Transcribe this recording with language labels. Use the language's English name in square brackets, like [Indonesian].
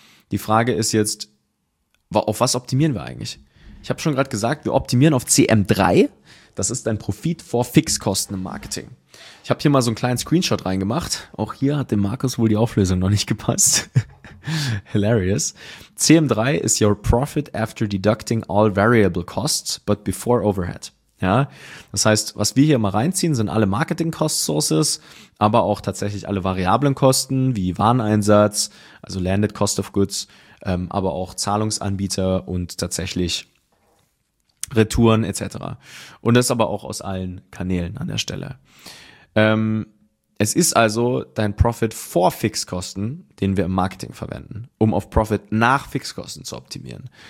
[German] Die Frage ist jetzt, auf was optimieren wir eigentlich? Ich habe schon gerade gesagt, wir optimieren auf CM3. Das ist dein Profit vor Fixkosten im Marketing. Ich habe hier mal so einen kleinen Screenshot reingemacht. Auch hier hat dem Markus wohl die Auflösung noch nicht gepasst. [English] Hilarious. CM3 is your profit after deducting all variable costs, but before overhead. [German] Ja, das heißt, was wir hier mal reinziehen, sind alle Marketing-Cost-Sources, aber auch tatsächlich alle variablen Kosten wie Wareneinsatz, also Landed Cost of Goods, aber auch Zahlungsanbieter und tatsächlich Retouren etc. Und das aber auch aus allen Kanälen an der Stelle. Es ist also dein Profit vor Fixkosten, den wir im Marketing verwenden, um auf Profit nach Fixkosten zu optimieren.